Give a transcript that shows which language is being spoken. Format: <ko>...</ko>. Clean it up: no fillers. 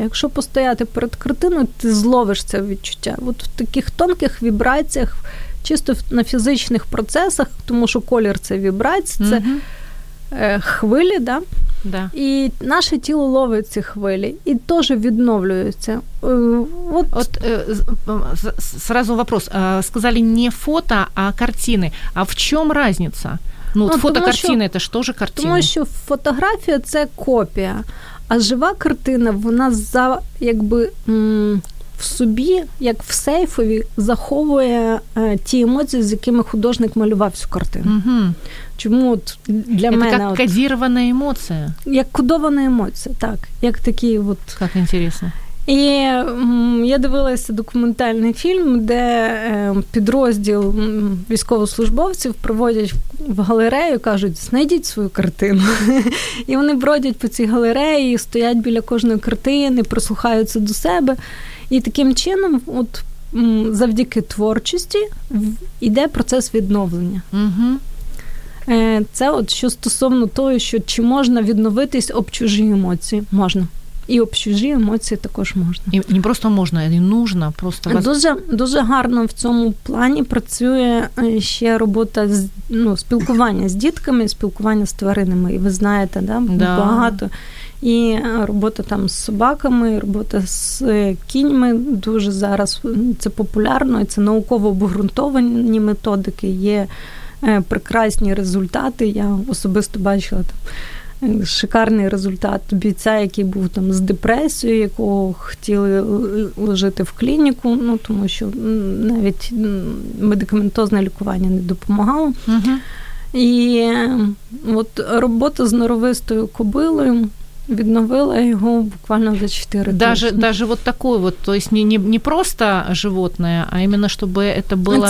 <uk>Якщо постояти перед картиною, ти зловиш це відчуття. От в таких тонких вібраціях, чисто на фізичних процесах, тому що колір – це вібрація, це хвилі, да? Да. І наше тіло ловить ці хвилі і теж відновлюється. От, зразу вопрос. Сказали не фото, а картини. А в чому різниця? Ну, от фотокартини – це ж теж картина. Тому що фотографія – це копія. А жива картина, вона за, якби, в собі, як в сейфові, заховує ті емоції, з якими художник малював цю картину. Угу. Чому от для</uk> <ru>Это</ru> <uk>мене... Це як кодирована емоція. Як кодована емоція, так. Як такі от... Як інтересно. І я дивилася документальний фільм, де підрозділ військовослужбовців проводять в галерею, кажуть, знайдіть свою картину. І вони бродять по цій галереї, стоять біля кожної картини, прислухаються до себе. І таким чином, от завдяки творчості, йде процес відновлення. Угу. Це от що стосовно того, що чи можна відновитись об чужі емоції. Можна. І об чужі емоції також можна. І не просто можна, а й нужно просто. Дуже гарно в цьому плані працює ще робота з, ну, спілкування з дітками, спілкування з тваринами. І ви знаєте, да, да. Багато. І робота там з собаками, робота з кіньми дуже зараз це популярно, і це науково обґрунтовані методики, є прекрасні результати. Я особисто бачила там шикарний результат бійця, який був там з депресією, якого хотіли лежати в клініку, ну тому що навіть медикаментозне лікування не допомагало. Uh-huh. І от робота з норовистою кобилою відновила його буквально за 4 тижні.</uk> <ru>Даже вот такой вот, то есть не просто животное, а именно чтобы это было</ru>